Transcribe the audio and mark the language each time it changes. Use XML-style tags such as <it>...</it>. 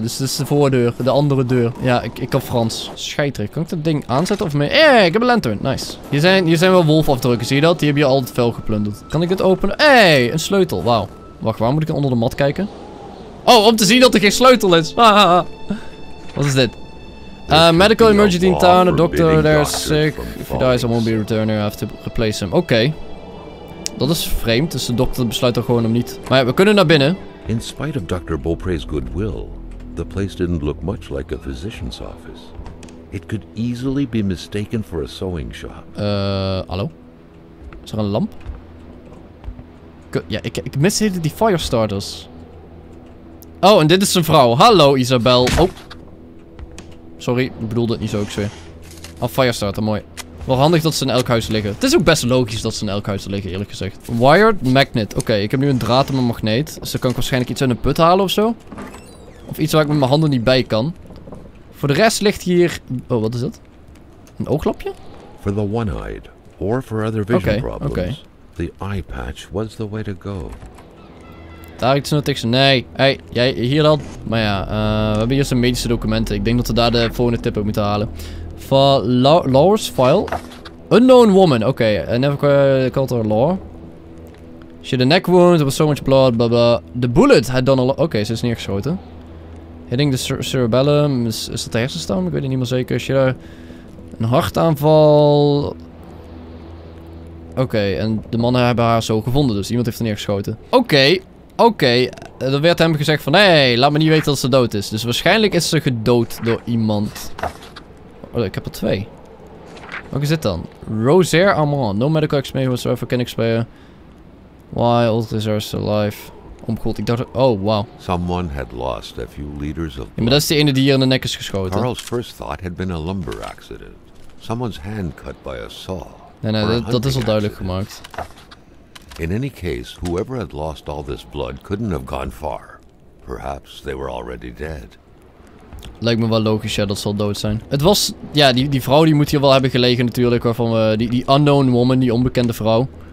<nl>Dus dat is de voordeur, de andere deur. Ja, ik kan Frans. Scheiterig. Kan ik dat ding aanzetten of mee? Hey, ik heb een lantern. Nice. Hier zijn wel wolfafdrukken. Zie je dat? Die heb je al het vel geplunderd. Kan ik dit openen? Hey, een sleutel. Wauw. Wacht, waar moet ik onder de mat kijken? Oh, om te zien dat er geen sleutel is. Wat is dit?</nl> <en>Medical emergency in town, a doctor there is sick. If he dies, I won't be returning, I have to replace him. Oké.</en> <nl>Dat is vreemd, dus de dokter besluit er gewoon om niet. Maar ja, we kunnen naar binnen.</nl> <en>In spite of Dr. Beaupré's goodwill, the place didn't look much like a physician's office. It could easily be mistaken for a sewing shop.</en> <nl>Hallo? Is er een lamp? Ja, ik mis hier die fire starters. Oh, en dit is zijn vrouw. Hallo, Isabel. Oh. Sorry, ik bedoelde het niet zo, ik zweer. Oh, firestarter, mooi. Wel handig dat ze in elk huis liggen. Het is ook best logisch dat ze in elk huis liggen, eerlijk gezegd.</nl> <en>Wired magnet.</en> <nl>Oké, ik heb nu een draad en een magneet. Dus dan kan ik waarschijnlijk iets uit een put halen of zo. Of iets waar ik met mijn handen niet bij kan. Voor de rest ligt hier... Oh, wat is dat? Een ooglapje?</nl> <en>For the one-eyed, or for other vision problems. Oké. The eye patch was the way to go.</en> <nl>Daar iets nuttigs. Nee. Hey, jij hier dan. Maar ja, we hebben hier zijn medische documenten. Ik denk dat we daar de volgende tip ook moeten halen.</nl> <en>Van Laura's file. Unknown woman. Oké. Okay. Never called her Laura. She had a neck wound. There was so much blood. Blah, blah. The bullet had done a lot.</en> <nl>Oké, ze is neergeschoten.</nl> <en>Hitting the cerebellum.</en> <nl>Is dat de hersenstam? Ik weet het niet meer zeker.</nl> <en>She had</en> <nl>een hartaanval. Oké, en de mannen hebben haar zo gevonden. Dus iemand heeft haar neergeschoten. Oké, er werd hem gezegd van, hey, laat me niet weten dat ze dood is. Dus waarschijnlijk is ze gedood door iemand. Oh, ik heb er 2. Wat is dit dan? Rosaire Armand.</nl> <en>No medical explanation whatsoever can explain. Why old reserves alive.</en> <nl>Oh god, ik dacht, oh wow.</nl> <en>Someone had lost a few liters of</en> <nl>blood. Ja, maar dat is de ene die hier in de nek is geschoten.</nl> <en>Carl's first thought had been a lumber accident. Someone's hand cut by a saw.</en> <nl>Nee, dat is al duidelijk gemaakt.</nl> <en>In any case, whoever had lost all this blood couldn't have gone far. Perhaps they were already dead.</en> <nl>Lijkt me wel logisch, ja, dat ze al dood zijn. Het was, ja, die vrouw die moet hier wel hebben gelegen natuurlijk, waarvan we, die</nl> <en>unknown woman,</en> <nl>die onbekende vrouw.</nl>